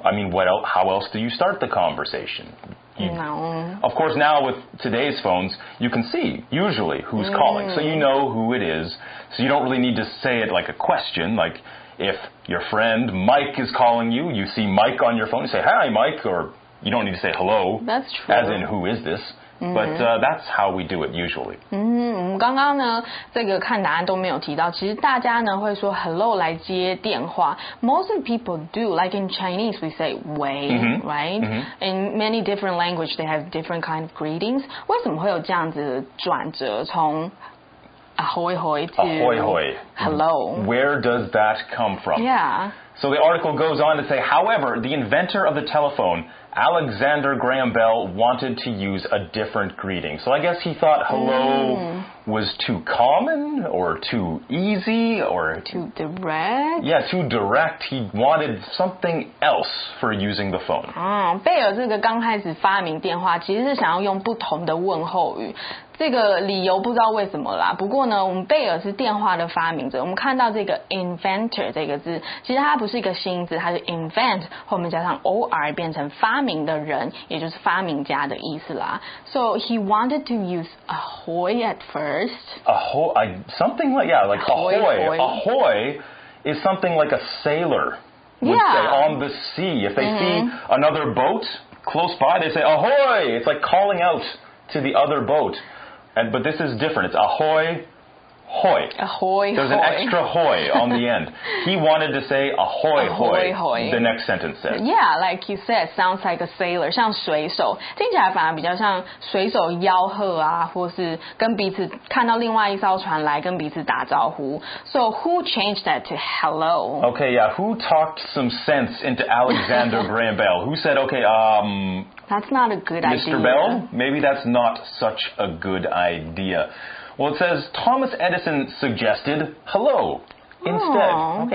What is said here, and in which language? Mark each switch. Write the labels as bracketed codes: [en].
[en] I mean, how else do you start the conversation? Of course, now with today's phones, you can see usually who's calling. So you know who it is. So you don't really need to say it like a question. Like if your friend Mike is calling you, you see Mike on your phone, you say, hi, Mike. Or you don't need to say hello. That's true. As in, who is this? But that's how we do it usually. [zh] 刚刚呢，这个看答案都没有提到，其实大家呢会说 hello 来接电话。 [en] Most of people do, like in Chinese we say 喂 right? Mm-hmm. In many different languages they have different kind of greetings. [zh] 为什么会有这样子转折从ahoy hoy to [en] ahoy hoy. Hello. Where does that come from? Yeah. So the article goes on to say, however, the inventor of the telephone, Alexander Graham Bell, wanted to use a different greeting. So I guess he thought hello was too common or too easy or too direct. Yeah, too direct. He wanted something else for using the phone. [zh] 贝尔这个刚开始发明电话其实是想要用不同的问候语。这个理由不知道为什么啦，不过呢，我们贝尔是电话的发明者。我们看到这个 inventor 这个字，其实它不是一个新字，它是 invent 后面加上 or 变成发明的人，也就是发明家的意思啦。 [en] So he wanted to use ahoy at first. Ahoy, something like, yeah, like ahoy. Ahoy, ahoy is something like a sailor would say on the sea. If they see another boat close by, they say ahoy. It's like calling out to the other boat. And, but this is different. It's ahoy, hoy. Ahoy, there's hoy. An extra hoy on the end. He wanted to say ahoy, ahoy hoy, hoy, the next sentence said. Yeah, like you said, sounds like a sailor, [zh] 像水手。听起来反而比较像水手吆喝啊，或是跟彼此看到另外一艘船来跟彼此打招呼。 [en] So who changed that to hello? Okay, yeah, who talked some sense into Alexander Graham Bell? Who said, okay, That's not a good idea. Mr. Bell, maybe that's not such a good idea. Well, it says Thomas Edison suggested hello instead.